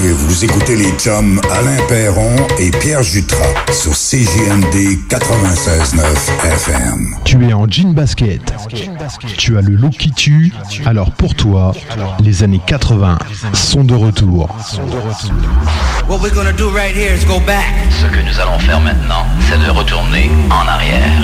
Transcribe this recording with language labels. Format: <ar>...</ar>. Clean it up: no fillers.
<fr>Vous écoutez les chums Alain Perron et Pierre Jutras sur CJMD 96.9 FM. Tu es en jean basket. Tu as le look qui tue. Alors pour toi, les années 80 sont de retour.</fr> <en>What we're gonna do right here is go back.</en> <fr>Ce que nous allons faire maintenant, c'est de retourner en arrière.</fr>